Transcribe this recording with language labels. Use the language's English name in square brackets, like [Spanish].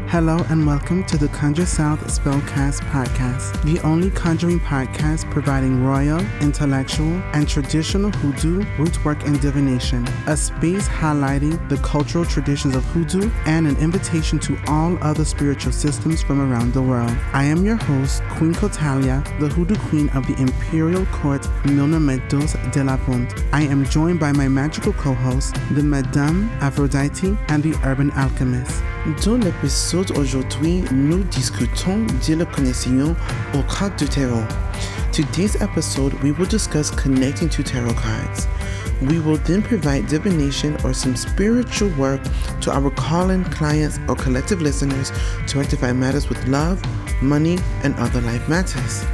[English] Hello and welcome to the Conjure South Spellcast Podcast, the only conjuring podcast providing royal, intellectual, and traditional hoodoo rootwork and divination, a space highlighting the cultural traditions of hoodoo and an invitation to all other spiritual systems from around the world. I am your host, Queen Kotalia, the hoodoo queen of the Imperial Court Milna Meadows de la Ponte. I am joined by my magical co-host, the Madame Aphrodite and the Urban Alchemist. [French] Dans l'épisode aujourd'hui, nous discutons de la connexion au card du tarot. [English] Today's episode, we will discuss connecting to tarot cards. We will then provide divination or some spiritual work to our call-in clients or collective listeners to rectify matters with love, money, and other life matters.